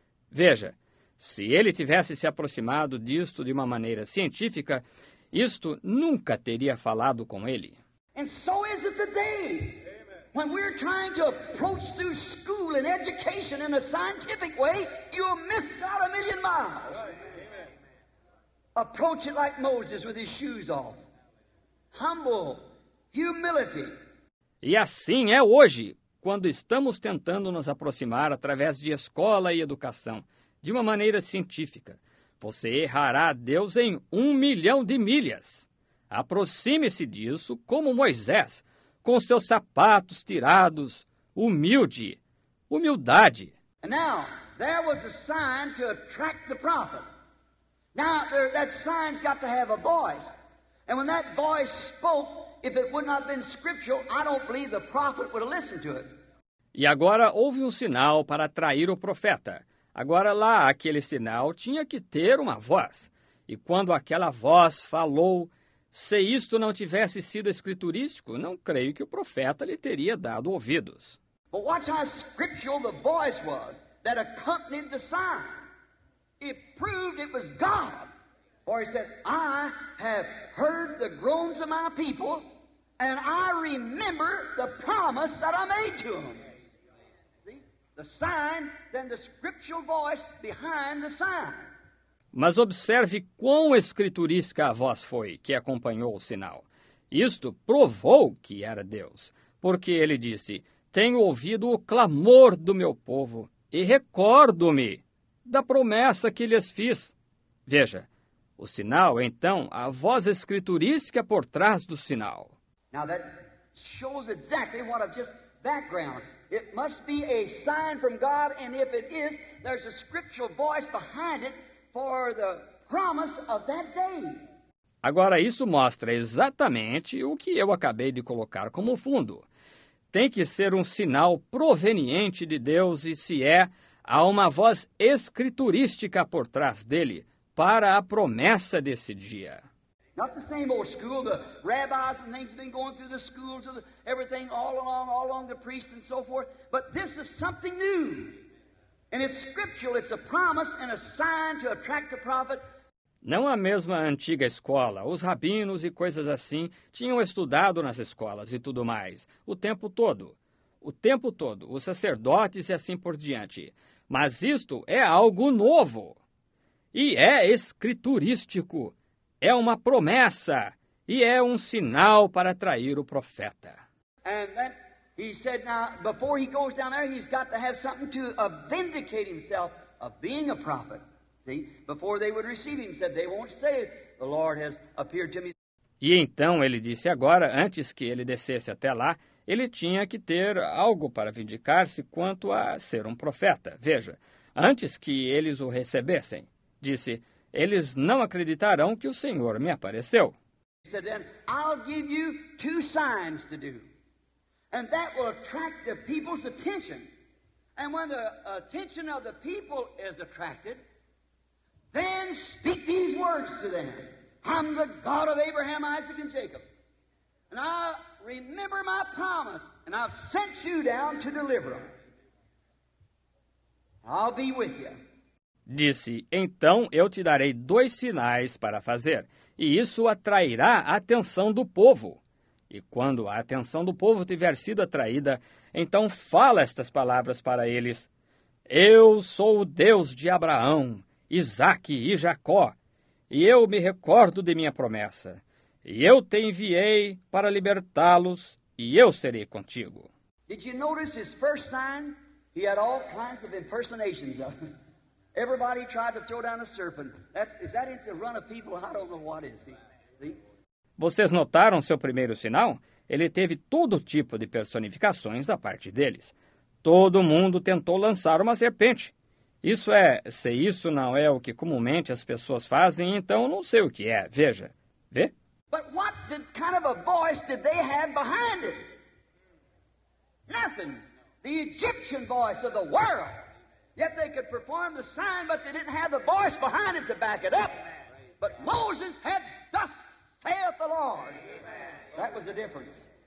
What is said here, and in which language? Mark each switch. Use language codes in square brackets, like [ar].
[pt] Veja, se ele tivesse se aproximado disto de uma maneira científica, isto nunca teria falado com ele. [en] And so is it today. When we're trying to approach through school and education in a scientific way, you'll miss God a million miles. Approach it like Moses with his shoes off. Humble, humility. [pt] E assim é hoje, quando estamos tentando nos aproximar através de escola e educação, de uma maneira científica, você errará a Deus em 1 milhão de milhas. Aproxime-se disso como Moisés, com seus sapatos tirados, humilde, humildade. [en] Now, there was a sign to attract the prophet. Now, that sign's got to have a voice. And when that voice spoke, if it would not have been scriptural, I don't believe the prophet would have listened to it. [pt] E agora houve um sinal para atrair o profeta. Agora lá, aquele sinal tinha que ter uma voz. E quando aquela voz falou, se isto não tivesse sido escriturístico, não creio que o profeta lhe teria dado ouvidos. [en] But watch how scriptural the voice was that accompanied the sign. It proved it was God. For he said, I have heard the groans of my people, and I remember the promise that I made to them. The sign, then the scriptural voice behind the sign. [pt] Mas observe quão escriturística a voz foi que acompanhou o sinal. Isto provou que era Deus, porque ele disse, tenho ouvido o clamor do meu povo e recordo-me da promessa que lhes fiz. Veja, o sinal, então, a voz escriturística por trás do sinal. [en] Now that shows exactly what I've just background. It must be a sign from God, and if it is, there's a scriptural voice behind it for the promise of that day. [pt] Agora, isso mostra exatamente o que eu acabei de colocar como fundo. Tem que ser um sinal proveniente de Deus, e se é, há uma voz escriturística por trás dele, para a promessa desse dia. [en] Not the same old school, the rabbis and things have been going through the schools and everything all along the priests and so forth. But this is something new. And it's scriptural, it's a promise and a sign to attract the prophet. [pt] Não a mesma antiga escola. Os rabinos e coisas assim tinham estudado nas escolas e tudo mais, o tempo todo. O tempo todo, os sacerdotes e assim por diante. Mas isto é algo novo. E é escriturístico. É uma promessa. E é um sinal para atrair o profeta. [en] And then he said, now, before he goes down there, he's got to have something to vindicate himself of being a prophet. See, before they would receive him, he said, they won't say it. The Lord has appeared to me. [pt] E então ele disse agora, antes que ele descesse até lá, ele tinha que ter algo para vindicar-se quanto a ser um profeta. Veja, antes que eles o recebessem, disse, eles não acreditarão que o Senhor me apareceu. [en] He said, then, I'll give you two signs to do, and that will attract the people's attention. And when the attention of the people is attracted, then speak these words to them. I'm the God of Abraham, Isaac, and Jacob. And I remember my promise, and I've sent you down to deliver them. I'll be with you. [pt] Disse, então eu te darei 2 sinais para fazer, e isso atrairá a atenção do povo. E quando a atenção do povo tiver sido atraída, então fala estas palavras para eles. Eu sou o Deus de Abraão, Isaque e Jacó, e eu me recordo de minha promessa. E eu te enviei para libertá-los, e eu serei contigo. [en] Did you notice his first sign? He had all kinds of impersonations of him. Everybody tried to throw down a serpent. Is that into the run of people? I don't know what is. [pt] Vocês notaram seu primeiro sinal? Ele teve todo tipo de personificações da parte deles. Todo mundo tentou lançar uma serpente. Isso é, se isso não é o que comumente as pessoas fazem, então não sei o que é. Veja. Vê? [en] But what kind of a voice did they have behind it? Nothing. The Egyptian voice of the world. Yet they could perform the sign, but they didn't have the voice behind it to back it up. But Moses had, thus saith the Lord. That was the difference.